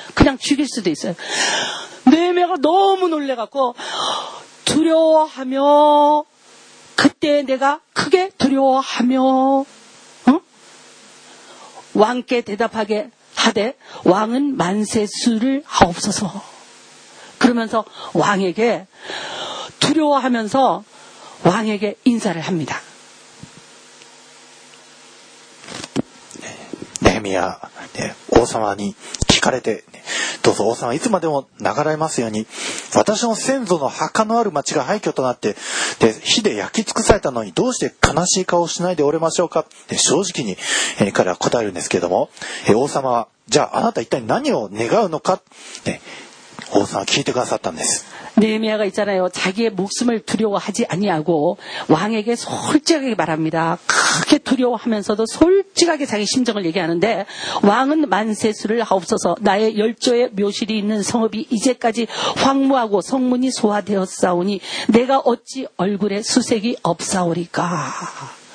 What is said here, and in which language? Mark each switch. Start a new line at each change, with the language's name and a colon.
Korean: 그냥 죽일 수도 있어요. 느헤미야가 너무 놀래갖고 두려워하며 그때 내가 크게 두려워하며 왕께 대답하게 하되 왕은 만세 수를 하옵소서. 그러면서 왕에게 두려워하면서 왕에게 인사를 합니다. 느헤미야, 네, 왕에게
Japanese: 聞かれて どうぞ王様いつまでも流れますように私の先祖の墓のある町が廃墟となって火で焼き尽くされたのにどうして悲しい顔をしないでおれましょうかって正直に彼は答えるんですけども王様はじゃああなた一体何を願うのかって王様は聞いてくださったんです。
Korean: 느헤미야가 있잖아요. 자기의 목숨을 두려워하지 아니하고 왕에게 솔직하게 말합니다. 크게 두려워하면서도 솔직하게 자기 심정을 얘기하는데 왕은 만세수를 하옵소서. 나의 열조의 묘실이 있는 성읍이 이제까지 황무하고 성문이 소화되었사오니 내가 어찌 얼굴에 수색이 없사오리까.